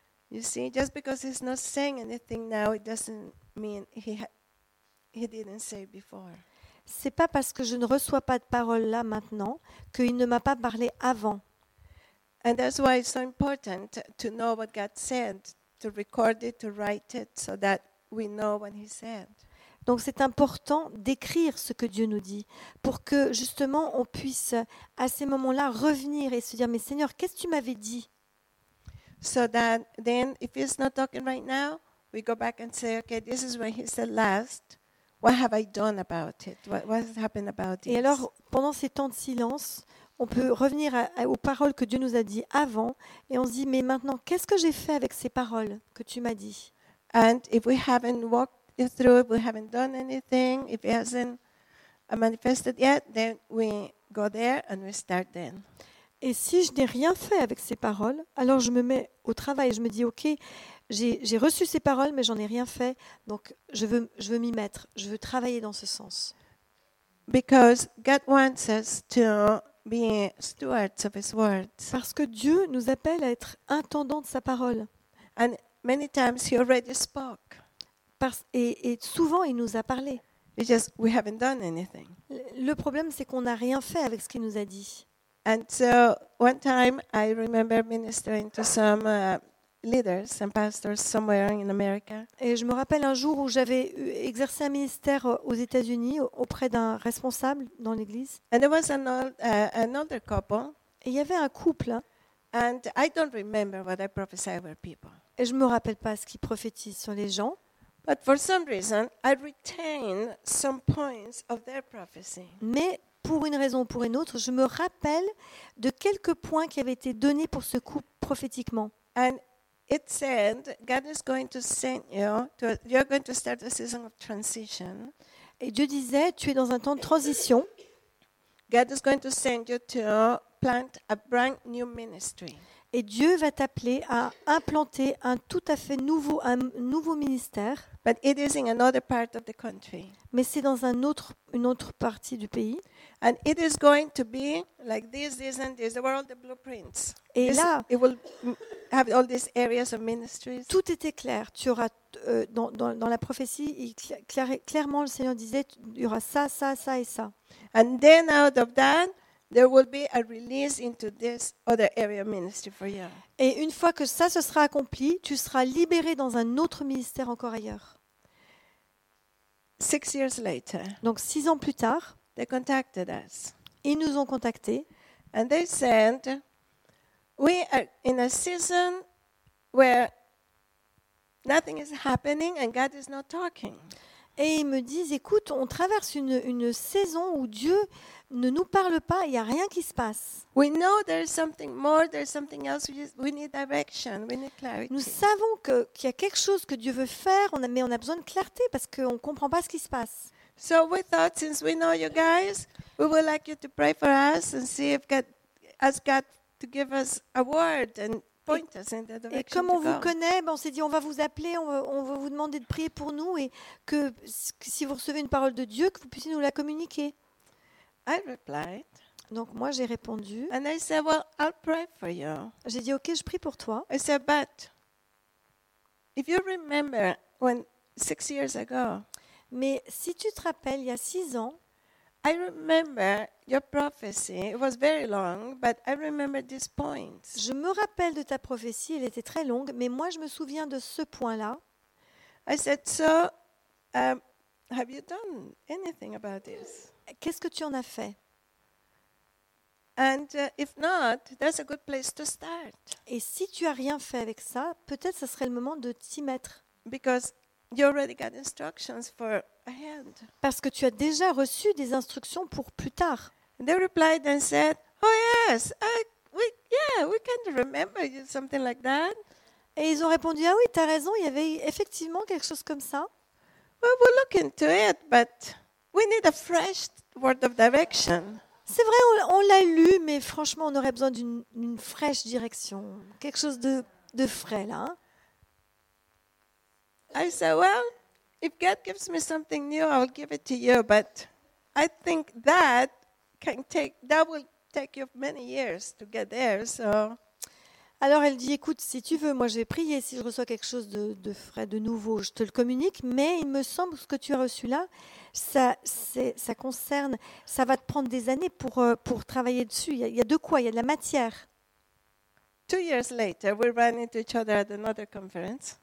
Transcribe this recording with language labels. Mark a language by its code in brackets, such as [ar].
[en] You see, just because he's not saying anything now, it doesn't mean he didn't say before. [fr] C'est pas parce que je ne reçois pas de parole là maintenant qu'il ne m'a pas parlé avant. [en] And that's why it's so important to know what God said, to record it, to write it, so that we know what he said. [fr] Donc c'est important d'écrire ce que Dieu nous dit pour que justement on puisse à ces moments-là revenir et se dire, mais Seigneur, qu'est-ce que tu m'avais dit? [en] So that then if he's not talking right now, we go back and say, okay, this is what he said last. What have I done about it? What has happened about it? [fr] Et alors, pendant ces temps de silence, on peut revenir aux paroles que Dieu nous a dit avant et on se dit, mais maintenant, qu'est-ce que j'ai fait avec ces paroles que tu m'as dit? [en] And if we haven't walked it through, if we haven't done anything, if it hasn't manifested yet, then we go there and we start then. [fr] Et si je n'ai rien fait avec ces paroles, alors je me mets au travail, je me dis, ok, j'ai reçu ces paroles, mais j'en ai rien fait, donc je veux m'y mettre, je veux travailler dans ce sens. [en] Because God wants us to be stewards of His words. [fr] Parce que Dieu nous appelle à être intendants de sa parole. [en] And many times He already spoke. [fr] Et souvent il nous a parlé. [en] It's just we haven't done anything. [fr] Le problème c'est qu'on n'a rien fait avec ce qu'il nous a dit. [en] And so one time I remember ministering to some leaders and pastors somewhere in America. [fr] Et je me rappelle un jour où j'avais exercé un ministère aux États-Unis auprès d'un responsable dans l'église. [en] And there was another couple. [fr] Et il y avait un couple. [en] And I don't remember what I prophesied over people. [fr] Et je me rappelle pas ce qu'ils prophétisent sur les gens. [en] But for some reason, I retain some points of their prophecy. [fr] Mais pour une raison ou pour une autre, je me rappelle de quelques points qui avaient été donnés pour ce couple prophétiquement. [en] And it said God is going to send you to you're going to start a season of transition. [fr] Et Dieu disait, tu es dans un temps de transition. [en] God is going to send you to plant a brand new ministry. [fr] Et Dieu va t'appeler à implanter un tout à fait nouveau un nouveau ministère. [en] But it is in another part of the country. [fr] Mais c'est dans une autre partie du pays. [en] And it is going to be like this and this. There were all the blueprints. [fr] Et là, [en] it will have all these areas of ministries. [fr] Tout était clair. Tu auras dans la prophétie, clairement le Seigneur disait, il y aura ça et ça. [en] And then out of that, there will be a release into this other area of ministry for you. [fr] Et une fois que ça se sera accompli, tu seras libéré dans un autre ministère encore ailleurs. [en] 6 years later. [fr] Donc 6 ans plus tard, [en] they contacted us. [fr] Ils nous ont contactés. [en] And they said, we are in a season where nothing is happening and God is not talking. [fr] Et ils me disent, écoute, on traverse une saison où Dieu ne nous parle pas, il n'y a rien qui se passe. [en] We know there is something more, there is something else. We need direction, we need clarity. [fr] Nous savons qu'il y a quelque chose que Dieu veut faire, mais on a besoin de clarté parce qu'on ne comprend pas ce qui se passe. [en] So we thought, since we know you guys, we would like you to pray for us and see if God has got to give us a word and point us in the direction. [fr] Et comme on vous connaît, on s'est dit, on va vous appeler, on va vous demander de prier pour nous et que si vous recevez une parole de Dieu, que vous puissiez nous la communiquer. [en] I replied. [fr] Donc moi j'ai répondu. [en] And I said, well, I'll pray for you. [fr] J'ai dit, ok, je prie pour toi. [en] I said, but if you remember when 6 years ago. [fr] Mais si tu te rappelles, il y a 6 ans, [en] I remember your prophecy. It was very long, but I remember this point. [fr] Je me rappelle de ta prophétie. Elle était très longue, mais moi, je me souviens de ce point-là. [en] I said, so Have you done anything about this? [fr] Qu'est-ce que tu en as fait? [en] And if not, that's a good place to start. [fr] Et si tu as rien fait avec ça, peut-être ce serait le moment de t'y mettre. [en] Because you already got instructions for a hand. [fr] Parce que tu as déjà reçu des instructions pour plus tard. [en] They replied and said, "Oh yes, we can remember you something like that." [fr] Et ils ont répondu, ah oui, tu as raison, il y avait effectivement quelque chose comme ça. [en] Well, we'll look into it, but we need a fresh word of direction. [fr] C'est vrai, on l'a lu, mais franchement, on aurait besoin d'une fraîche direction, quelque chose de frais là. [en] I said, well, if God gives me something new, I'll give it to you, but I think that can take, that will take you many years to get there, so. [fr] Alors elle dit, écoute, si tu veux, moi je vais prier, si je reçois quelque chose de frais, de nouveau, je te le communique, mais il me semble que ce que tu as reçu là, ça va te prendre des années pour travailler dessus. Il y a de quoi, il y a de la matière. [en] 2 years later, we ran into each other at another conference.